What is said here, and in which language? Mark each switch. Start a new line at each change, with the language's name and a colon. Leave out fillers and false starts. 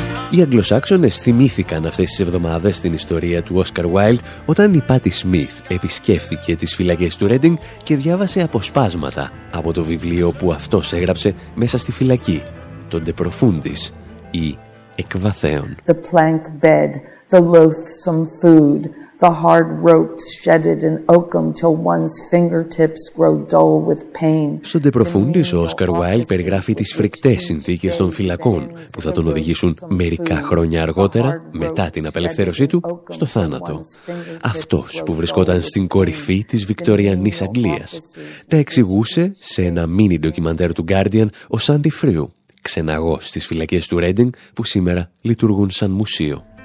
Greek: Οι Αγγλοσάξονες θυμήθηκαν αυτές τις εβδομάδες την ιστορία του Oscar Wilde όταν η Patti Smith επισκέφθηκε τις φυλακές του Reading και διάβασε αποσπάσματα από το βιβλίο που αυτός έγραψε μέσα στη φυλακή, τον De Profundis ή Εκβαθέων.
English: The plank bed, the loathsome food, the hard ropes shedded in oakum till one's fingertips grow dull with pain.
Greek: Στο De Profundis, ο Oscar Wilde περιγράφει τις φρικτές συνθήκες των φυλακών που θα τον οδηγήσουν μερικά χρόνια αργότερα, μετά την απελευθέρωσή του, στο θάνατο. Αυτός που βρισκόταν στην κορυφή της Βικτωριανής Αγγλίας. Τα εξηγούσε σε ένα μίνι ντοκιμαντέρ του Guardian ο Σάντι Φρίου, ξεναγός στις φυλακές του Reading που σήμερα λειτουργούν σαν μουσείο.